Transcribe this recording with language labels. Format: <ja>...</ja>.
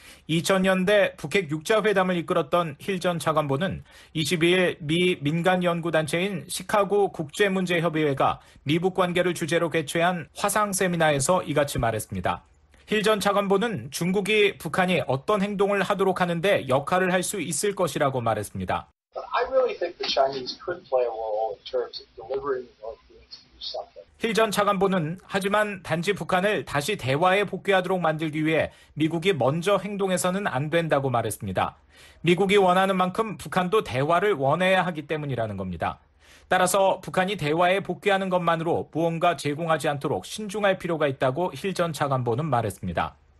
<ko>2000년대 북핵 6자회담을 이끌었던 힐 전 차관보는 22일 미 민간연구단체인 시카고 국제문제협의회가 미북 관계를 주제로 개최한 화상 세미나에서 이같이 말했습니다. 힐 전 차관보는 중국이 북한이 어떤 행동을 하도록 하는데 역할을 할 수 있을 것이라고 말했습니다.</ko> <en>I really think the Chinese could play a role in terms of delivering or doing something.</en> <ko>힐 전 차관보는 하지만 단지 북한을 다시 대화에 복귀하도록 만들기 위해 미국이 먼저 행동해서는 안 된다고 말했습니다. 미국이 원하는 만큼 북한도 대화를 원해야 하기 때문이라는 겁니다. 따라서 북한이 대화에 복귀하는 것만으로 무언가 제공하지 않도록 신중할 필요가 있다고 힐 전 차관보는 말했습니다.</ko>